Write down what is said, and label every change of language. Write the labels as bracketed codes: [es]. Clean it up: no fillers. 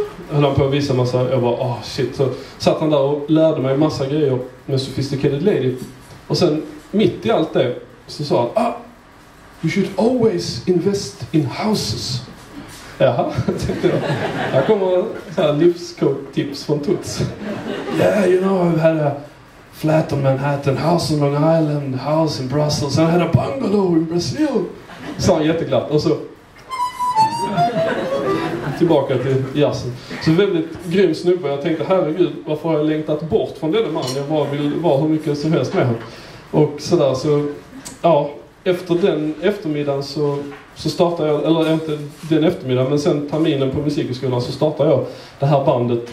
[sv] Höll han på att visa massa, jag bara, [en] oh shit. [sv] Så satt han där och lärde mig massa grejer med Sophisticated Lady. Och sen, mitt i allt det, så sa han, ah, [en] you should always invest in houses. [sv] Jaha, tänkte jag. Här kommer så här livscoach-tips från Toots. [en] Yeah, you know, I've had a flat on Manhattan, house on Long Island, house in Brussels, and I had a bungalow in Brazil. [sv] Så han jätteglatt. Och så tillbaka till jazzen. Så väldigt grym snubbe. Jag tänkte, herregud, varför har jag längtat bort från denna man? Jag bara vill vara hur mycket som helst med honom. Och sådär, så ja, efter den eftermiddagen så startade jag, eller inte den eftermiddagen, men sen terminen på musikskolan, så startade jag det här bandet.